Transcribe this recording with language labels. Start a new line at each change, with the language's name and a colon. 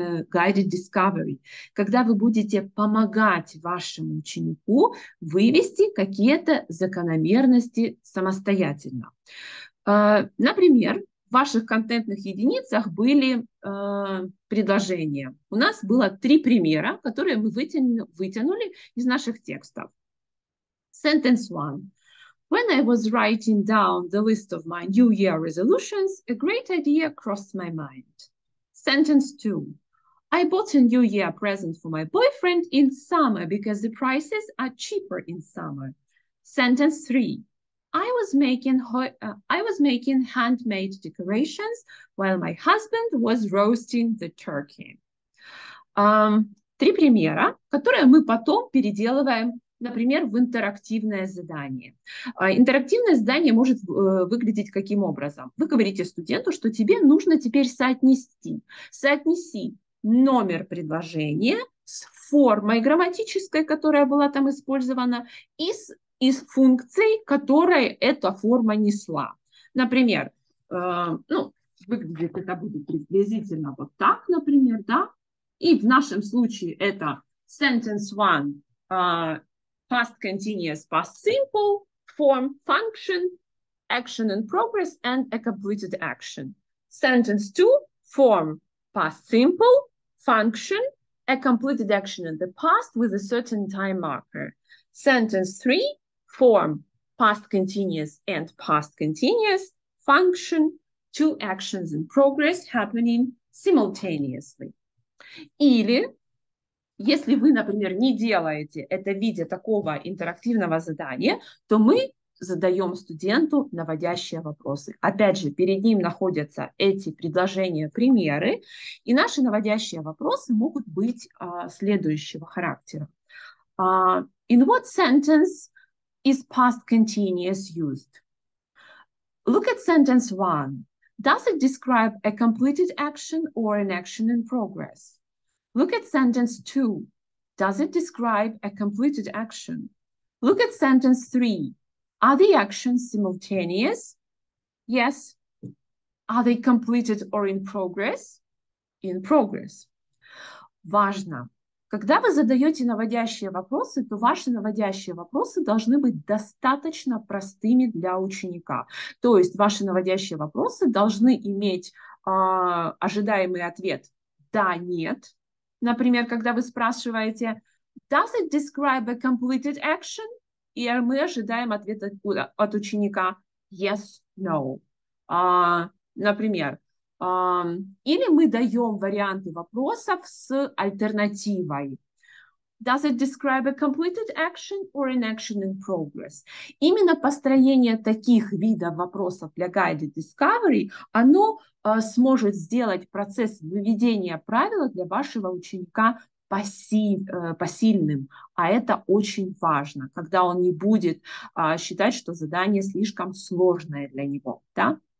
Russian: guided discovery, когда вы будете помогать вашему ученику вывести какие-то закономерности самостоятельно. Например, в ваших контентных единицах были предложения. У нас было три примера, которые мы вытянули из наших текстов.
English: Sentence one. When I was writing down the list of my New Year resolutions, a great idea crossed my mind. Sentence two. I bought a New Year present for my boyfriend in summer because the prices are cheaper in summer. Sentence three. I was making handmade decorations while my husband was roasting the turkey.
Russian: Три примера, которые мы потом переделываем, например, в интерактивное задание. Интерактивное задание может выглядеть каким образом? Вы говорите студенту, что тебе нужно теперь соотнеси номер предложения с формой грамматической, которая была там использована, из функций, которые эта форма несла. Например, ну, выглядит это будет приблизительно вот так, например, да? И в нашем случае это
English: sentence one, past continuous, past simple, form, function, action in progress, and a completed action. Sentence two, form, past simple, function, a completed action in the past with a certain time marker. Sentence three, form, past continuous and past continuous, function, two actions in progress happening simultaneously.
Russian: Или, если вы, например, не делаете это в виде такого интерактивного задания, то мы задаем студенту наводящие вопросы. Опять же, перед ним находятся эти предложения, примеры, и наши наводящие вопросы могут быть следующего характера.
English: In what sentence is past continuous used? Look at sentence one. Does it describe a completed action or an action in progress? Look at sentence two. Does it describe a completed action? Look at sentence three. Are the actions simultaneous? Yes. Are they completed or in progress? In progress.
Russian: Важно. Когда вы задаете наводящие вопросы, то ваши наводящие вопросы должны быть достаточно простыми для ученика. То есть ваши наводящие вопросы должны иметь ожидаемый ответ «да», «нет». Например, когда вы спрашиваете
English: «Does it describe a completed action?»
Russian: И мы ожидаем ответ от ученика
English: «Yes, no».
Russian: Например, или мы даем варианты вопросов с альтернативой.
English: Does it describe a completed action or an action in progress?
Russian: Именно построение таких видов вопросов для guided discovery, оно сможет сделать процесс выведения правила для вашего ученика посильным. А это очень важно, когда он не будет считать, что задание слишком сложное для него, да?